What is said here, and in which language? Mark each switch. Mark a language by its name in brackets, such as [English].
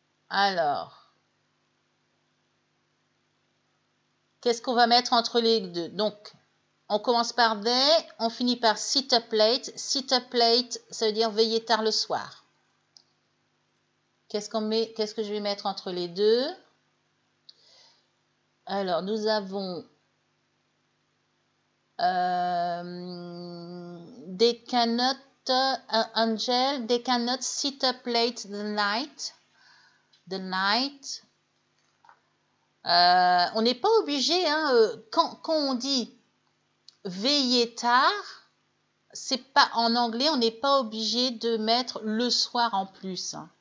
[French] Alors, qu'est-ce qu'on va mettre entre les deux? Donc, on commence par day, on finit par [English] sit up late. Sit up late, [French] ça veut dire veiller tard le soir. Qu'est-ce que je vais mettre entre les deux? Alors, nous avons [English] they cannot, Angel, they cannot sit up late the night. The night. [French] On n'est pas obligé, hein, quand on dit veiller tard, c'est pas en anglais, on n'est pas obligé de mettre le soir en plus.